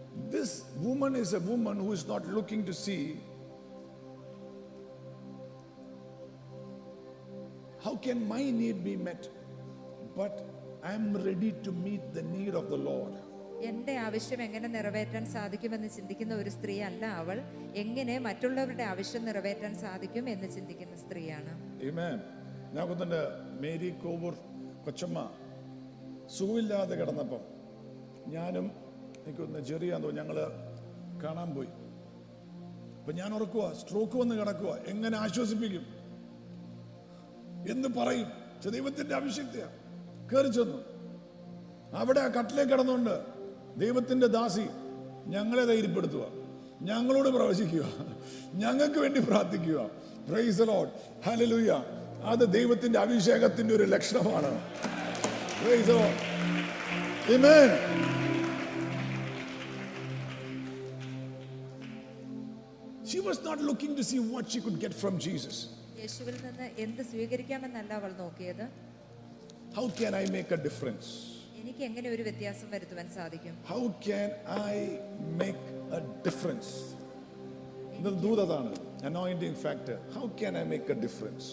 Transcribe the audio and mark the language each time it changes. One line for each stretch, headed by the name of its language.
English: This woman is a woman who is not looking to see how can my need be met, but I am ready to meet the need of the Lord.
Malayalam: എന്റെ ആവശ്യം എങ്ങനെ നിറവേറ്റാൻ സാധിക്കുമെന്ന് ചിന്തിക്കുന്ന ഒരു സ്ത്രീ അല്ല അവൾ, എങ്ങനെ മറ്റുള്ളവരുടെ ആവശ്യം നിറവേറ്റാൻ സാധിക്കും എന്ന് ചിന്തിക്കുന്ന സ്ത്രീയാണ്. ആമേൻ. ഞാൻ കൊണ്ടുവന്ന മേരി കോവർ കൊച്ചമ്മ സുഖമില്ലാതെ കിടന്നപ്പം ഞാനും എനിക്കൊന്ന് ചെറിയ തോന്നി, ഞങ്ങള് കാണാൻ പോയി. അപ്പൊ ഞാൻ ഉറക്കുക, സ്ട്രോക്ക് വന്ന് കിടക്കുക, എങ്ങനെ ആശ്വസിപ്പിക്കും, എന്ന് പറയും. ദൈവത്തിന്റെ അഭിഷേക്തയ കയറി ചെന്നു അവിടെ ആ കട്ടിലേ കിടന്നുകൊണ്ട്, ദൈവത്തിന്റെ ദാസി ഞങ്ങളെ ധൈര്യപ്പെടുത്തുക, ഞങ്ങളോട് പ്രവചിക്കുക, ഞങ്ങൾക്ക് വേണ്ടി പ്രാർത്ഥിക്കുക.
English: Praise the Lord. Hallelujah.
Malayalam: അത് ദൈവത്തിന്റെ അഭിഷേകത്തിന്റെ ഒരു ലക്ഷണമാണ്.
English: Praise the Lord.
Malayalam: Amen.
English: She was not looking to see what she could get from Jesus.
Malayalam: യേശുവിൽ നിന്ന് എന്ത് സ്വീകരിക്കാമെന്നല്ല അവൾ നോക്കിയത്.
English: How can I make a difference?
Malayalam: എനിക്ക് എങ്ങനെ ഒരു വ്യത്യാസം വരുത്തുവാൻ സാധിക്കും?
English: How can I make a difference? ദൂതതാണ്. anointing factor. How can I make a difference?